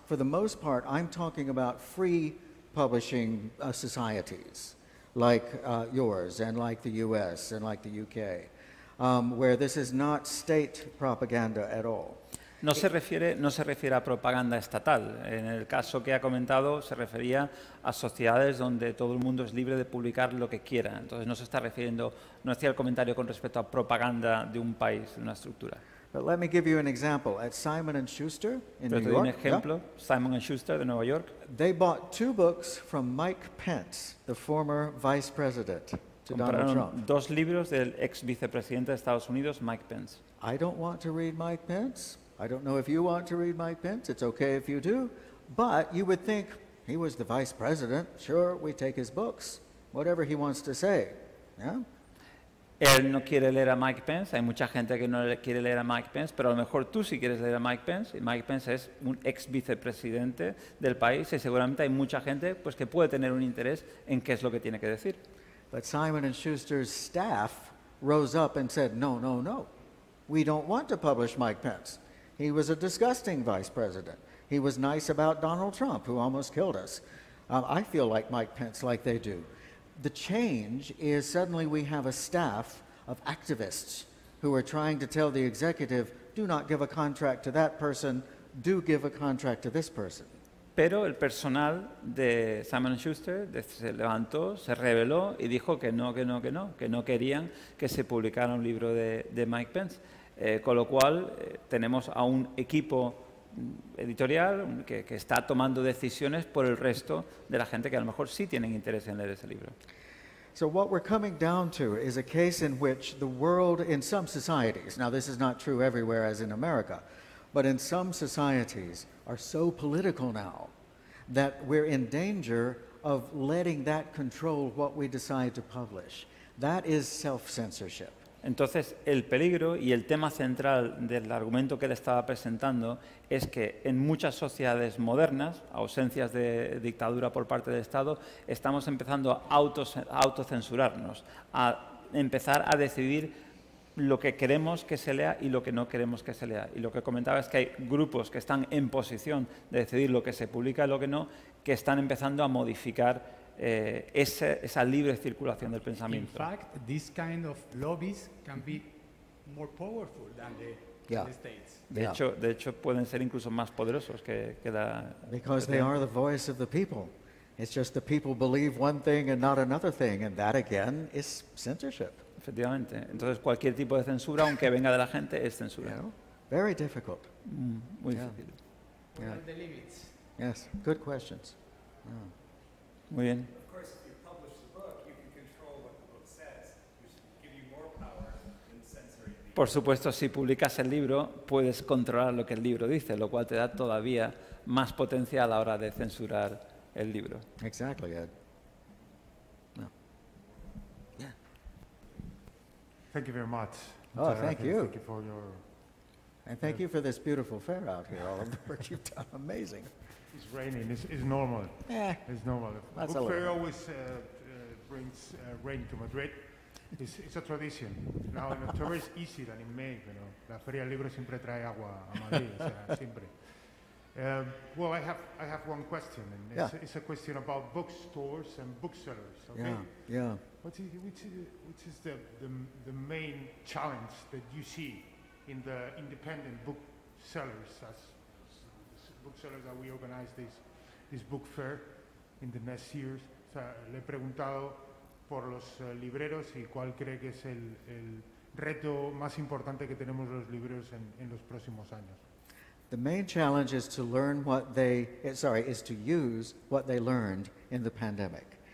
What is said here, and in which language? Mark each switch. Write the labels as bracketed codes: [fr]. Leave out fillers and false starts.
[en] For the most part, I'm talking about free publishing societies like yours and like the US and like the UK, where this is not state propaganda at all. [es] No se refiere a propaganda estatal. En el caso que ha comentado, se refería a sociedades donde todo el mundo es libre de publicar lo que quiera. Entonces, no se está refiriendo, no hacía el comentario con respecto a propaganda de un país, de una estructura. [en] But let me give you an example. At Simon and Schuster in [es] Pero [en] New York, [es] un ejemplo, yeah? Simon and Schuster de Nueva York. [en] They bought two books from Mike Pence, the former vice president to [es] Compraron [en] Donald Trump. [es] Dos libros del ex vicepresidente de Estados Unidos, Mike Pence. [en] I don't want to read Mike Pence. I don't know if you want to read Mike Pence. It's okay if you do. But you would think he was the vice president. Sure, we take his books, whatever he wants to say. Yeah? [es] Él no quiere leer a Mike Pence. Hay mucha gente que no le quiere leer a Mike Pence, pero a lo mejor tú sí quieres leer a Mike Pence. Y Mike Pence es un ex vicepresidente del país y seguramente hay mucha gente pues, que puede tener un interés en qué es lo que tiene que decir. [en] But Simon and Schuster's staff rose up and said, no, no, no. We don't want to publish Mike Pence. He was a disgusting vice president. He was nice about Donald Trump, who almost killed us. I feel like Mike Pence like they do. The change is suddenly we have a staff of activists who are trying to tell the executive, do not give a contract to that person, do give a contract to this person. [es] Pero el personal de Simon & Schuster se levantó, se rebeló y dijo que no, que no, que no, que no querían que se publicara un libro de Mike Pence. Con lo cual tenemos a un equipo editorial que está tomando decisiones por el resto de la gente que a lo mejor sí tienen interés en leer ese libro. [en] So what we're coming down to is a case in which the world in some societies, now this is not true everywhere as in America, but in some societies are so political now that we're in danger of letting that control what we decide to publish. That is self-censorship. [es] Entonces, el peligro y el tema central del argumento que él estaba presentando es que en muchas sociedades modernas, ausencias de dictadura por parte del Estado, estamos empezando a autocensurarnos, a empezar a decidir lo que queremos que se lea y lo que no queremos que se lea. Y lo que comentaba es que hay grupos que están en posición de decidir lo que se publica y lo que no, que están empezando a modificar esa libre circulación del pensamiento. [en] In fact, this kind of lobbies can be more powerful than the, yeah. the states. [es] De hecho, pueden ser incluso más poderosos que la. [en] Because they are the voice of the people. It's just the people believe one thing and not another thing, and that again is censorship. [es] Efectivamente. Entonces, cualquier tipo de censura, aunque venga de la gente, es censura. [en] You know? Very difficult. [es] Muy difícil. Yeah. [en] What are the limits? Yes. Good questions. Yeah. [es] Muy bien. [en] Of course, if you publish the book, you can control what the book says, which will give you more power than censoring the [es] Por supuesto, si publicas el libro, puedes controlar lo que el libro dice, lo cual te da todavía más potencia a la hora de censurar el libro. [en] Exactly, Ed. No. Yeah. Thank you very much. Oh, thank you. Thank you for your... And thank you for this beautiful fair out here, all of the work you've done. Amazing. It's raining. It's normal. Yeah. It's normal. That's Book fair always brings rain to Madrid. It's a tradition. Now in October it's easier than in May, you know. [es] La Feria del Libro siempre trae agua a Madrid, siempre. [en] Well, I have one question, and it's a question about bookstores and booksellers. Okay. Yeah. Which is the main challenge that you see in the independent booksellers as booksellers that we organize this book fair in the next years. [es] O sea, le he preguntado por los libreros y cuál cree que es el reto más importante que tenemos los libreros en los próximos años. [en] The main challenge is to learn what they, sorry, is to use what they learned in the pandemic.